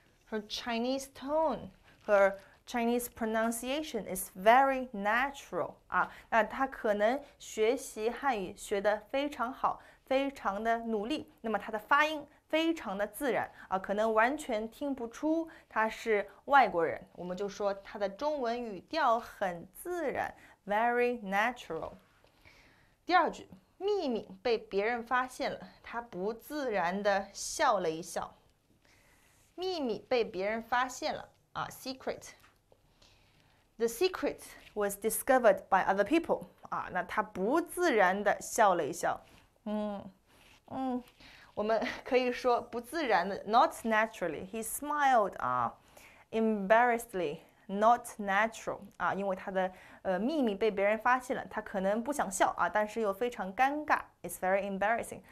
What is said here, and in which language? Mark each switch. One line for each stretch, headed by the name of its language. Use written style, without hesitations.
English: Her Chinese tone, her Chinese pronunciation is very natural
Chinese: 啊，那他可能学习汉语学得非常好，非常的努力，那么他的发音非常的自然啊，可能完全听不出他是外国人，我们就说他的中文语调很自然，
English: very natural。
Chinese: 第二句，秘密被别人发现了，他不自然的笑了一笑。秘密被别人发现了啊，secret。
English: The secret was discovered by other people。
Chinese: 啊，那他不自然的笑了一笑。我们可以说不自然的，
English: not naturally。 He smiled
Chinese: 啊，
English: embarrassedly，not natural
Chinese: 啊，因为他的秘密被别人发现了，他可能不想笑啊，但是又非常尴尬，
English: it's very embarrassing。